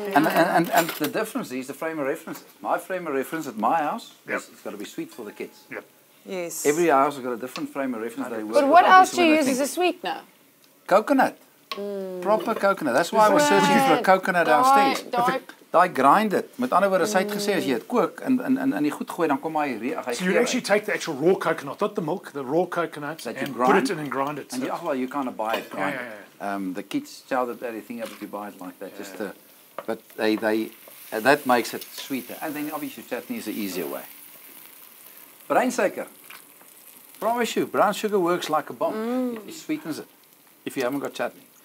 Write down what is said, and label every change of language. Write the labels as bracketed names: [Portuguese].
[English] And the difference is the frame of reference. My frame of reference at my house, it's got to be sweet for the kids. Yes. Every house has got a different frame of reference. They work. But what else do you use as a sweetener? Coconut. Proper coconut. That's why I was searching for a coconut downstairs. I grind it. [Afrikaans] Met ander woorde, sy het gesê as jy dit kook en in die goed gooi, dan kom hy [English] So you actually take the actual raw coconut, not the milk, the raw coconut, that and put it in and grind it. And so you kind of buy it grind. The kids tell that they think if you buy it like that, just but they that makes it sweeter. And then obviously chutney is the easier way. Brown sugar. Promise you, brown sugar works like a bomb. It sweetens it. If you haven't got chutney.